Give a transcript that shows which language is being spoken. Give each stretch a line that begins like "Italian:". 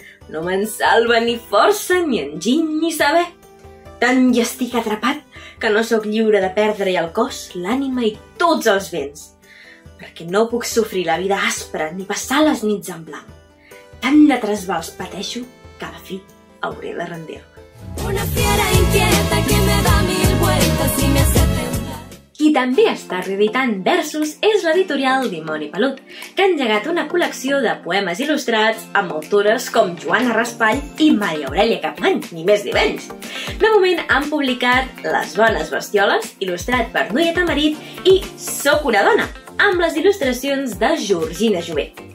Catalan: No me'n salva ni força, ni enginy, ni saber. Tant hi estic atrapat que no sóc lliure de perdre-hi el cos, l'ànima i tots els béns, perquè no puc sofrir la vida aspra ni passar les nits en blanc. Tant de trasbals pateixo que a la fi hauré de rendir-me.
Spanish: Una fiera inquieta que me da mil vueltas y me hace temblar.
Catalan: Qui també està reeditant versos és l'editorial Dimoni Pelut, que ha engegat una col·lecció de poemes il·lustrats amb autores com Joana Raspall i Maria Aurelia Capmany, ni més ni menys. De moment han publicat Les bones bestioles, il·lustrat per Núria Tamarit, i Soc una dona, amb les il·lustracions de Georgina Jové.